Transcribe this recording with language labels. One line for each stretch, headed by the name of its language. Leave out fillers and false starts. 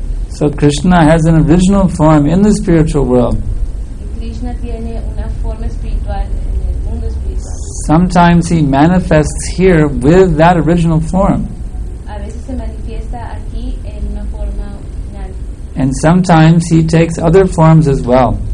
English: So Krishna has an original form in the spiritual world.
Spanish: Krishna tiene una forma espiritual en el mundo espiritual.
English: Sometimes he manifests here with that original form.
Spanish: A veces se manifiesta aquí en una forma original.
English: And sometimes he takes other forms as well.